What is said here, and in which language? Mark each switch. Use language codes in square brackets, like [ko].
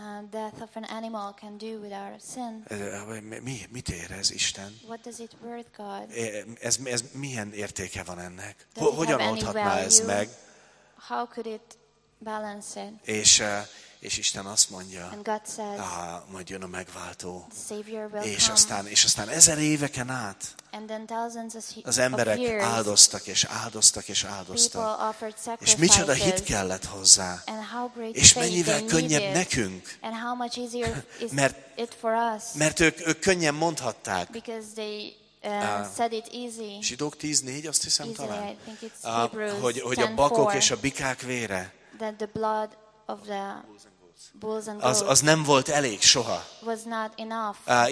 [en] Death of an animal can do with our sin. [hu] Mit ér ez Isten? [en] What does it worth God? [hu] Ez milyen értéke van ennek? Hogyan oldhatná ez meg? [en] How could it balance it? [hu] És Isten azt mondja, [en] and God said, [hu] majd jön a megváltó. [en] The Savior will [hu] és [en] come. [hu] És aztán ezer éveken át [en] and then thousands of years, [hu] az emberek áldoztak és áldoztak és áldoztak. [en] People offered sacrifices, [hu] és micsoda hit kellett hozzá. [en] And how great [hu] és mennyivel könnyebb nekünk. [en] And how much easier is [hu] mert, [en] it for us. [hu] Mert ők könnyen mondhatták. [en] Because they said it easy. [hu] Zsidók 10:4 azt hiszem [en] easy, [hu] talán. [en] I think it's Hebrews [hu] hogy a bakok és a bikák vére. [en] That the blood of the [hu] Az nem volt elég soha. [en] Was not enough.